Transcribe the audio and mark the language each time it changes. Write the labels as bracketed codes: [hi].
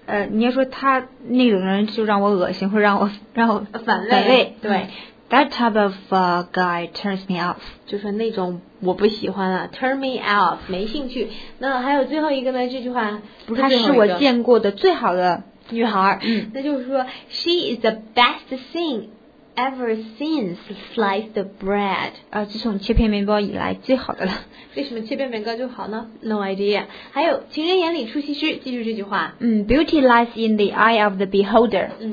[zh] 你要说他那种人就让我恶心，或者让我反胃。对。 [en] That type of guy turns me off. [zh] 就是那种我不喜欢了 turn me off, 没兴趣。那还有最后一个呢，这句话不是，她是我见过的最好的女孩。 [en] 那就是说 she is the best thing ever since sliced bread. [zh] 自从切片面包以来最好的了。为什么切片面包就好呢？ [en] No idea. [zh] 还有情人眼里出西施，记住这句话。 [en] Beauty lies in the eye of the beholder.